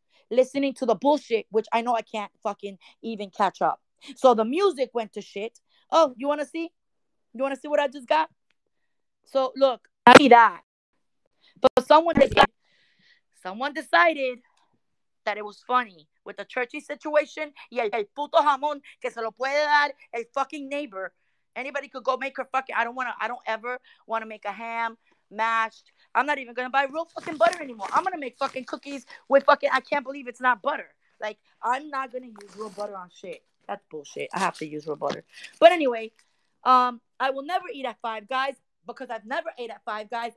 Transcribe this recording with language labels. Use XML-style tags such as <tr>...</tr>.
<en>Listening to the bullshit, which I know I can't fucking even catch up. So the music went to shit. Oh, you want to see? You want to see what I just got? So look, I need that. But someone decided that it was funny with the churchy situation.</en> <es>Yeah, el puto jamón que se lo puede dar el</es> <en>fucking neighbor. Anybody could go make her fucking. I don't ever want to make a ham mashed. I'm not even going to buy real fucking butter anymore. I'm going to make fucking cookies with fucking, I can't believe it's not butter. Like, I'm not going to use real butter on shit. That's bullshit. I have to use real butter. But anyway, I will never eat at Five Guys because I've never ate at Five Guys.</en>